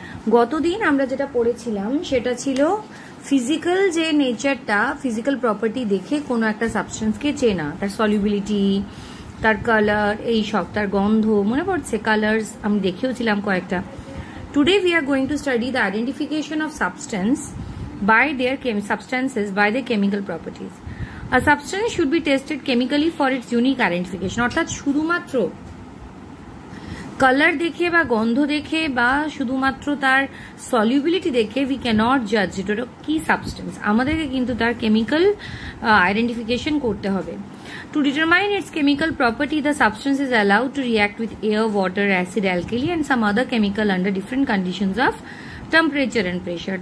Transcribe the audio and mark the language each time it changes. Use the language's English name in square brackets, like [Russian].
[Bangla] গতদিন আমরা যেটা পড়েছিলাম সেটা ছিল ফিজিক্যাল যে নেচারটা, ফিজিক্যাল প্রপার্টি দেখে কোনো একটা সাবস্টেন্সকে চেনা, তার সলিউবিলিটি, তার কালার, এই সব, তার গন্ধ, মনে পড়ছে? কালার্স আমি দেখেওছিলাম কয়েকটা। [English] Today we are going to study the identification of substance by their substances by their chemical properties. A substance should be tested chemically for its unique identification. [Bangla] অর্থাৎ শুধুমাত্র কালার দেখে বা গন্ধ দেখে বা শুধুমাত্র তার সলিউবিলিটি দেখে [English] we cannot Jaaz [Bangla] ওটা কি সাবস্টেন্স। আমাদেরকে কিন্তু তার কেমিক্যাল আইডেন্টিফিকেশন করতে হবে। [English] To determine its chemical property the substance is allowed to react with air, water, acid, alkali and some other chemical under different conditions of temperature and pressure.